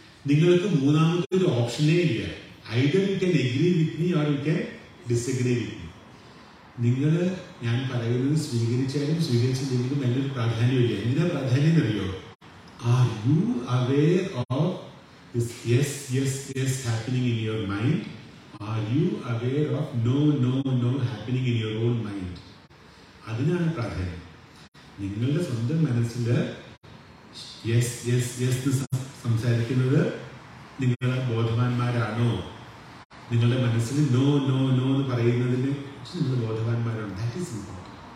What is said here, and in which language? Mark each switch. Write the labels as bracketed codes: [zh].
[ml] നിങ്ങൾക്ക് മൂന്നാമത്തെ ഒരു ഓപ്ഷനേ ഇല്ല, [en] Either you can agree with me or you can disagree with me. [ml] നിങ്ങൾ ഞാൻ പറയുന്നത് സ്വീകരിച്ചാലും സ്വീകരിച്ചില്ലെങ്കിലും എന്നൊരു പ്രാധാന്യമില്ല. എന്താ പ്രാധാന്യം അറിയോ? [en] Are you aware of this yes yes yes happening in your mind? Are you aware of no, no, no happening in your own mind? [ml] അതിനാണ് പ്രാധാന്യം. നിങ്ങളുടെ സ്വന്തം മനസ്സിൽ യെസ് യെസ് യെസ് സംസാരിക്കുന്നത് നിങ്ങൾ ബോധവാന്മാരാണോ? നിങ്ങളുടെ മനസ്സിൽ നോ നോ നോ എന്ന് പറയുന്നതിന് നിങ്ങൾ ബോധവാന്മാരാണ്. [en] That is important.